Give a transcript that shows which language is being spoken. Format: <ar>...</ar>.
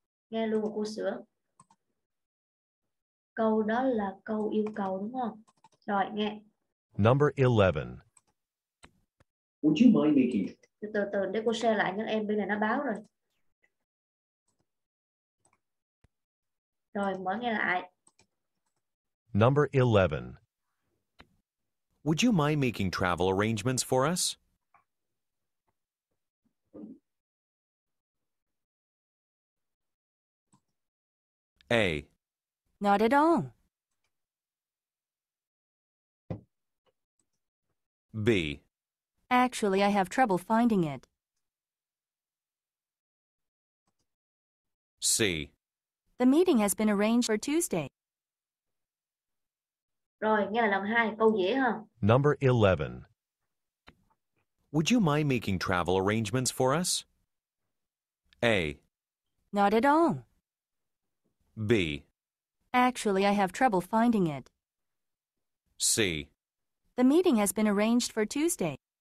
<vi>Nghe luôn cô sửa câu đó là câu yêu cầu đúng không rồi nghe</vi> <en>number 11 would you mind making</en> <vi>từ để cô share lại nhớ em bên này nó báo rồi rồi mở nghe lại</vi> <en>number 11 would you mind making travel arrangements for us. A. Not at all. B. Actually, I have trouble finding it. C. The meeting has been arranged for Tuesday.</en> <vi>Rồi, nghe là lần hai, câu dễ ha.</vi> <en>Number 11. Would you mind making travel arrangements for us? A. Not at all. B. Actually, I have trouble finding it. C. The meeting has been arranged for Tuesday.</en>